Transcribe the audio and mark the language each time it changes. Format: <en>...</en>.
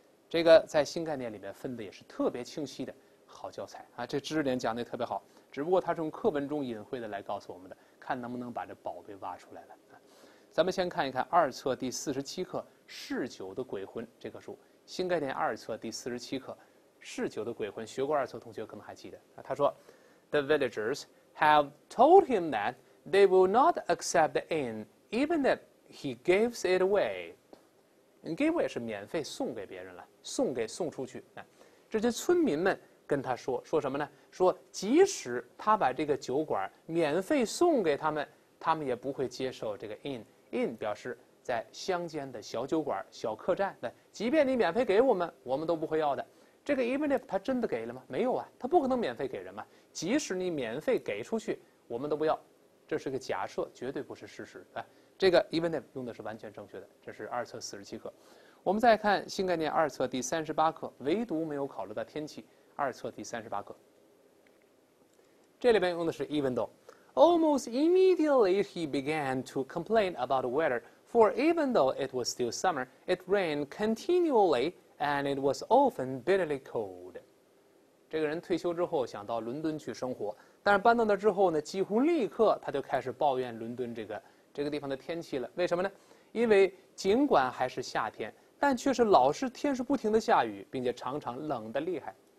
<zh>这个在新概念里面分的也是特别清晰的，好教材啊，这知识点讲得特别好，只不过它是用课文中隐晦的来告诉我们的，看能不能把这宝贝挖出来了。咱们先看一看二册第47课《嗜酒的鬼魂》这棵树，新概念二册第47课《嗜酒的鬼魂》，学过二册同学可能还记得。他说</zh> <en>，The villagers have told him that they will not accept the inn even if he gives it away.</en> <zh>Give 是免费送给别人了，送给送出去。这些村民们跟他说，说什么呢？说即使他把这个酒馆免费送给他们，他们也不会接受这个 inn。 inn 表示在乡间的小酒馆、小客栈。那即便你免费给我们，我们都不会要的。这个 even if 他真的给了吗？没有啊，他不可能免费给人嘛。即使你免费给出去，我们都不要。这是个假设，绝对不是事实啊。这个 even if 用的是完全正确的。这是二册47课。我们再看新概念二册第38课，唯独没有考虑到天气。二册第38课，这里边用的是 even though。</zh> <en>Almost immediately he began to complain about the weather, for even though it was still summer, it rained continually and it was often bitterly cold.</en> <zh>这个人退休之后想到伦敦去生活，但是搬到那之后呢，几乎立刻他就开始抱怨伦敦这个地方的天气了。为什么呢？因为尽管还是夏天，但却是老是天是不停的下雨，并且常常冷得厉害。</zh>